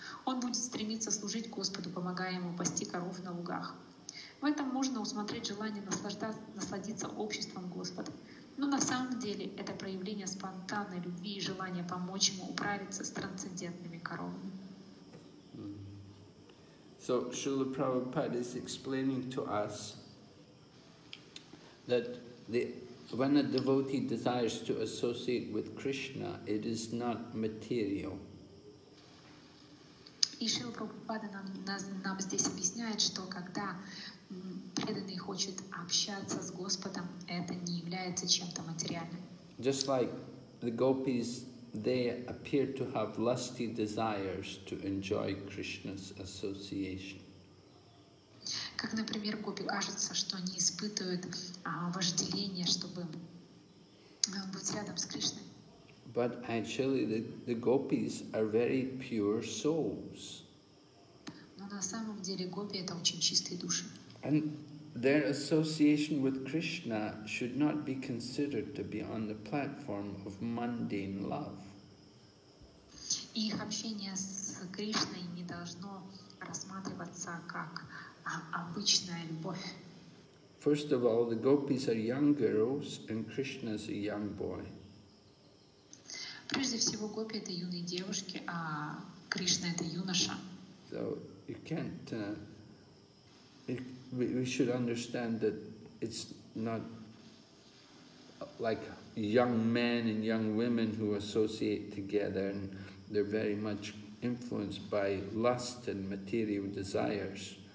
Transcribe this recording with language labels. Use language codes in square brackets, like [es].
[ru] Он будет стремиться служить Господу, помогая ему пасти коров на лугах. В этом можно усмотреть желание насладиться обществом Господа. Но на самом деле это проявление спонтанной любви и желания помочь ему управиться с трансцендентными коровами. [en] So Srila Prabhupada is explaining to us that when a devotee desires to associate with Krishna, it is not material. [ru] И Шрила Прабхупада нам здесь объясняет, что когда преданный хочет общаться с Господом, это не является чем-то материальным. [en] Just like the gopis, they appear to have lusty desires to enjoy Krishna's association. [ru] Как, например, гопи кажется, что они испытывают вожделение, чтобы быть рядом с Кришной. [en] But actually, the gopis are very pure souls. [ru] Но на самом деле гопи это очень чистые души. [en] And their association with Krishna should not be considered to be on the platform of mundane love. [ru] Их общение с Кришной не должно рассматриваться как обычная любовь. [en] First of all, the gopis are young girls and Krishna is a young boy. [ru] Прежде всего, гопи это юные девушки, а Кришна это юноша. [en] So you can't. We should understand that it's not like young men and young women who associate together and they're very much influenced by lust and material desires.